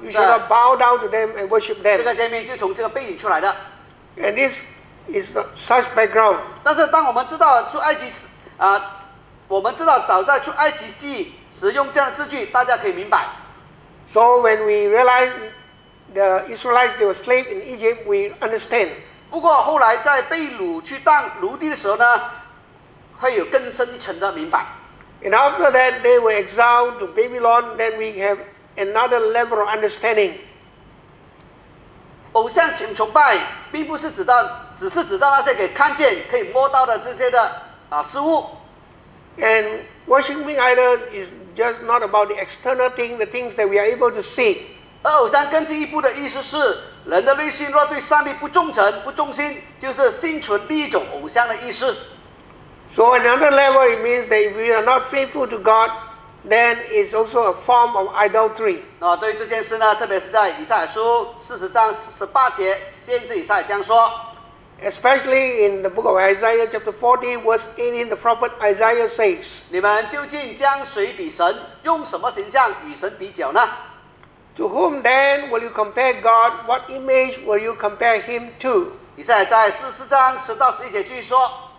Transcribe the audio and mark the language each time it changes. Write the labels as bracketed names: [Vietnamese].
[English] You should not bow down to them and worship them. [Chinese] 这个诫命就从这个背景出来的。 [English] And this is such background. [Chinese] 但是当我们知道出埃及时、我们知道早在出埃及记使用这样的字句，大家可以明白。 [English] So when we realize the Israelites they were slaves in Egypt, we understand. [Chinese] 不过后来在被掳去当奴隶的时候呢，会有更深层的明白。 [English] And after that they were exiled to Babylon, then we have another level of understanding. [Chinese] 偶像请崇拜并不是指到，只是指到那些可以看见、可以摸到的这些的事物。 [English] And worshiping idol is just not about the external thing, the things that we are able to see. [Chinese] 而偶像更进一步的意思是，人的内心若对上帝不忠诚、不忠心，就是心存另一种偶像的意思。 [English] So another level, it means that if we are not faithful to God, then it's also a form of idolatry. [Chinese] 那对于这件事呢，特别是在以赛亚书四十章四十八节，先知以赛亚这样说。 [English] Especially in the book of Isaiah, chapter 40, verse 18, the prophet Isaiah says, [Chinese] 你们究竟将谁比神？用什么形象与神比较呢？ [English] To whom then will you compare God? What image will you compare him to? [Chinese] 以赛亚在四十章十到十一节继续说。